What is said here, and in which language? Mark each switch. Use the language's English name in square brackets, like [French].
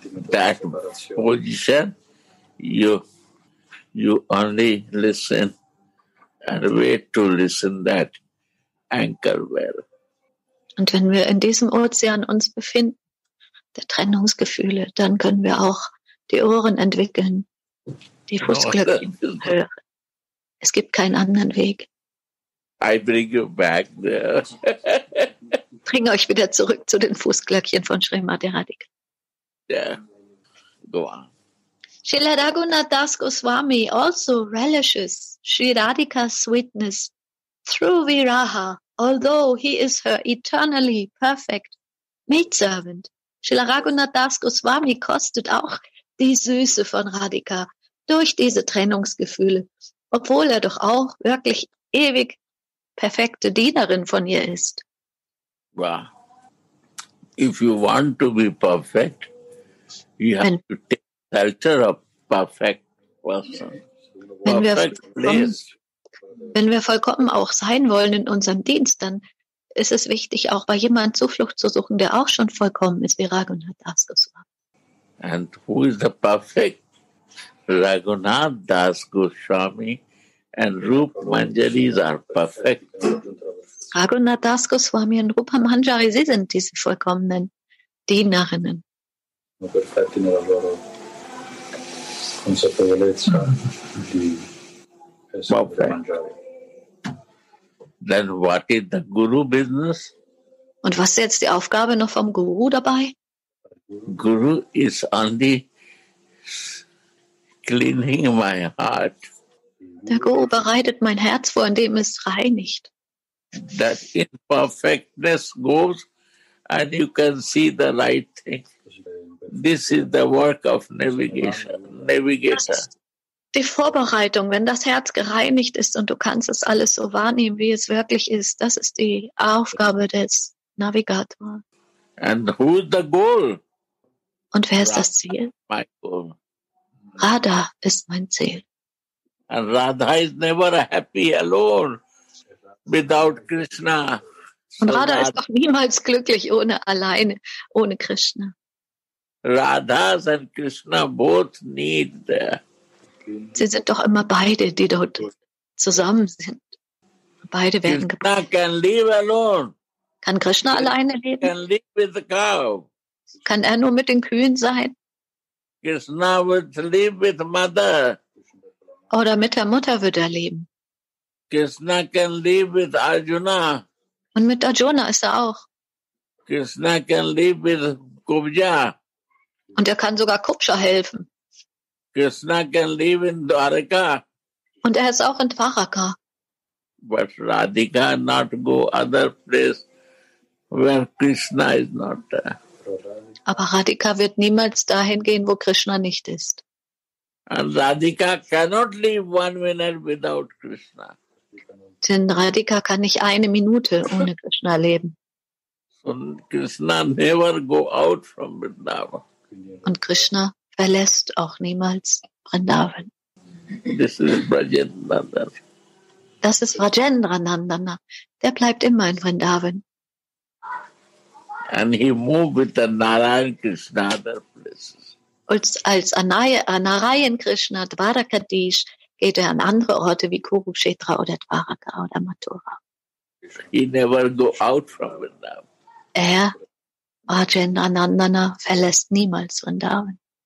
[English] That position, you only listen and wait to listen that anchor well. [German] Und wenn wir in diesem Ozean uns befinden, der Trennungsgefühle, dann können wir auch die Ohren entwickeln, die Fußglöckchen hören. Es gibt keinen anderen Weg. [English] I bring you back there. [German] Bring euch wieder zurück zu den Fußglöckchen von Srimati Radhika. [English] Yeah. Go on. Srila Raghunath Das Goswami also relishes Sri Radhika's sweetness through Viraha, although he is her eternally perfect maidservant. [German] Srila Raghunath Das Goswami kostet auch die Süße von Radhika durch diese Trennungsgefühle. Obwohl er doch auch wirklich ewig perfekte Dienerin von ihr ist. [English] Wow. If you want to be perfect, you have to take shelter of perfect person. [German] Wenn wir vollkommen auch sein wollen in unserem Dienst, dann ist es wichtig, auch bei jemandem Zuflucht zu suchen, der auch schon vollkommen ist, wie Raghunath Das Goswami. [English] And who is the perfect? Raghunath Das Goswami and Rupa Manjari are perfect. Raghunath Das Goswami and Rupa Manjari, sie sind diese vollkommenen Dienerinnen. Okay. Then what is the Guru business? [German] Und was ist jetzt die Aufgabe noch vom Guru dabei? [English] Guru is only cleaning my heart. [German] Der Guru bereitet mein Herz vor, indem es reinigt. [English] That imperfectness goes and you can see the right thing. This is the work of navigation. [German] Das ist, die Vorbereitung, wenn das Herz gereinigt ist und du kannst es alles so wahrnehmen, wie es wirklich ist, das ist die Aufgabe des Navigators. [English] And who is the goal? [German] Und wer ist das Ziel? [English] My goal. [German] Radha ist mein Ziel. [English] And Radha is never happy alone without Krishna. [German] Und Radha ist doch niemals glücklich ohne alleine, ohne Krishna. [English] Radhas and Krishna both need there. [German] Sie sind doch immer beide, die dort zusammen sind. Beide werden gebraucht. [English] Krishna can live alone. [German] Kann Krishna alleine leben? [English] Can live with the cow. [German] Kann er nur mit den Kühen sein? [English] Krishna would live with mother. [German] Oder mit der Mutter würde er leben. [English] Krishna can live with Arjuna. [German] Und mit Arjuna ist er auch. [English] Krishna can live with Kubja. [German] Und er kann sogar Kubja helfen. [English] Krishna can live in Dwaraka. [German] Und er ist auch in Dwaraka. [English] But Radhika not go other place where Krishna is not there. [German] Aber Radhika wird niemals dahin gehen, wo Krishna nicht ist. [English] And Radhika cannot live 1 minute without Krishna. [German] Denn Radhika kann nicht eine Minute ohne Krishna leben. Und [English] Krishna never go out from Vrindavan. [German] Und Krishna verlässt auch niemals Vrindavan. [English] This is Vrajendranandana. [German] Das ist Vrajendranandana. Der bleibt immer in Vrindavan. [English] And he moved with the Narayan Krishna other places. [German] Und als Narayan Krishna Dwarakadish geht er an andere Orte wie Kurukshetra oder Dwaraka oder Mathura. [English] He never go out from Vrindavan. [German] Er, Vrajendranandana, verlässt niemals Vrindavan.